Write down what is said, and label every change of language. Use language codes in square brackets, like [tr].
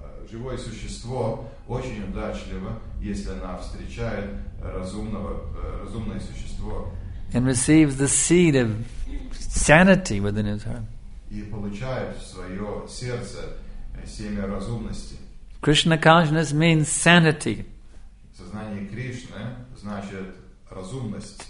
[ru] Живое существо очень удачливо, если она встречает разумное существо. [en] And receives the seed of sanity within his heart. [ru] И получает в свое сердце семя разумности. [en] Krishna consciousness means sanity. [ru] Сознание Кришны значит разумность.